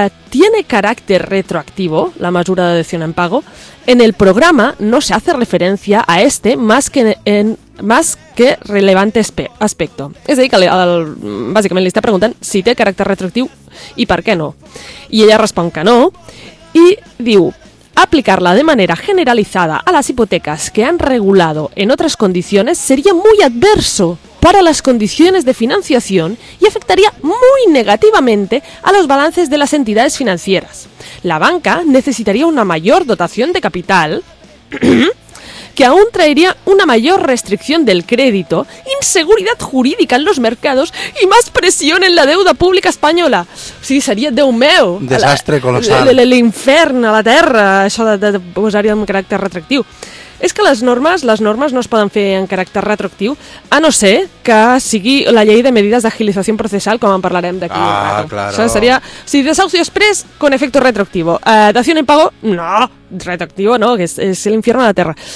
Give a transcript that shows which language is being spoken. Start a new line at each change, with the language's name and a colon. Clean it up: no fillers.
Spanish: ¿Tiene carácter retroactivo la mesura de dación en pago? En el programa no se hace referencia a este más que relevante aspecto.
Catalan: És a dir, que bàsicament li està preguntant si té caràcter retroactiu i per què no. I ella respon que no i diu...
Spanish: Aplicarla de manera generalizada a las hipotecas que han regulado en otras condiciones sería muy adverso para las condiciones de financiación y afectaría muy negativamente a los balances de las entidades financieras. La banca necesitaría una mayor dotación de capital que aún traería una mayor restricción del crédito, inseguridad jurídica en los mercados y más presión en la deuda pública española.
Catalan: Sí, sería Déu meu. Desastre colossal. L'infern a la terra, això de posar-hi un caràcter retractiu. És que les normes no es poden fer en caràcter retroactiu, a no ser que sigui la llei de medidas de agilització processal, com en parlarem d'aquí.
Spanish: Ah, claro. O sea, seria, si desahucio express con efecto retroactivo. Dación en pago, no, retroactivo no, que és l'infierno de la terra.